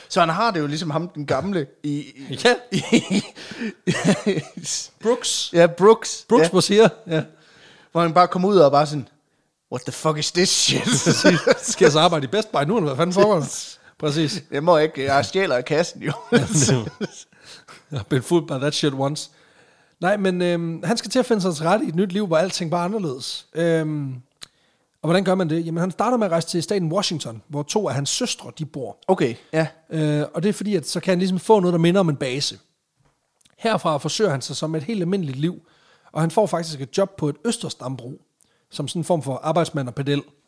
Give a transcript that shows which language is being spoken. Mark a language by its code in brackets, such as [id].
[da] Så han har det jo ligesom ham, den gamle, i... Ja. Brooks. Ja, Brooks. Brooks, ja. Måske her. Ja. Hvor han bare kom ud og bare sådan, [en] what the fuck is this shit? [da] Skal jeg så arbejde i Best Buy nu, eller hvad fanden foregår der? Præcis. Jeg må ikke, jeg stjæler af kassen jo. [en] I've been fooled by that shit once. [da] Nej, men han skal til at finde sig ret i et nyt liv, hvor alting bare anderledes. Og hvordan gør man det? Jamen, han starter med at rejse til staten Washington, hvor 2 af hans søstre, de bor. Okay, ja. Og det er fordi, at så kan han ligesom få noget, der minder om en base. Herfra forsøger han sig som et helt almindeligt liv, og han får faktisk et job på et østersdambrug, som sådan en form for arbejdsmand og pedel.